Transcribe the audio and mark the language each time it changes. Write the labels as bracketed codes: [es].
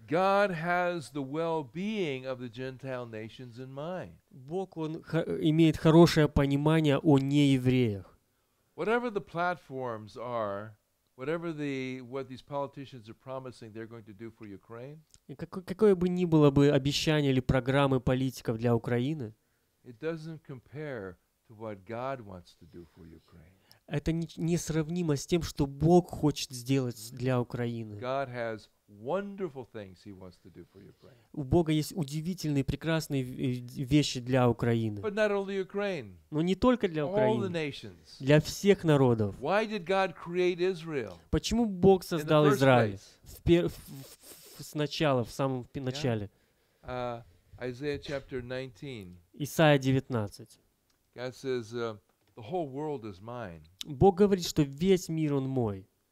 [en] God has the well-being of the Gentile nations in mind. [ru] Бог, он имеет хорошее понимание о неевреях. [en] Whatever the platforms are, whatever the what these politicians are promising they're going to do for Ukraine. [ru] Какое бы ни было бы обещание или программы политиков для Украины. [en] It doesn't compare to what God wants to do for Ukraine. [ru] Это не сравнимо с тем, что Бог хочет сделать для Украины. [en] God has wonderful things he wants to do for Ukraine. [ru] У Бога есть удивительные, прекрасные вещи для Украины. [en] But not only Ukraine. [ru] Но не только для Украины. [en] All the nations. [ru] Для всех народов. [en] Why did God create Israel? [ru] Почему Бог создал Израиль? В самом начале. [en] Isaiah chapter 19. [ru] Исайя 19. [en] God says, the whole world is mine. [ru] Бог говорит, что весь мир он мой.